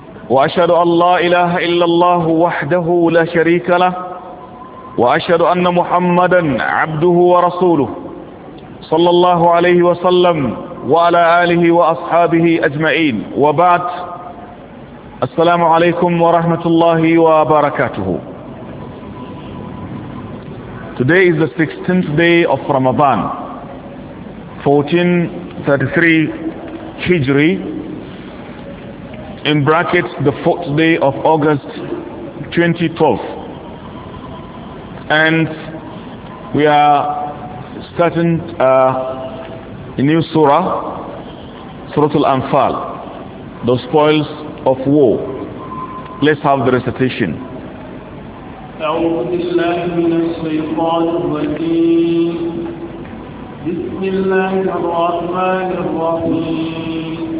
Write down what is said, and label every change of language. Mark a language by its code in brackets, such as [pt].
[ar] وأشهد أن لا إله إلا الله وحده لا شريك له، وأشهد أن محمدا عبده ورسوله صلى الله عليه وسلم وعلى آله وأصحابه أجمعين. وبعد، السلام عليكم ورحمة الله وبركاته. [en] Today is the 16th day of Ramadan, 1433 Hijri, in brackets the 4th day of August 2012. And we are starting a new surah, Surah Al-Anfal, the spoils of war. Let's have the recitation. [ar] أعوذ بالله من الشيطان الرجيم. بسم الله الرحمن الرحيم.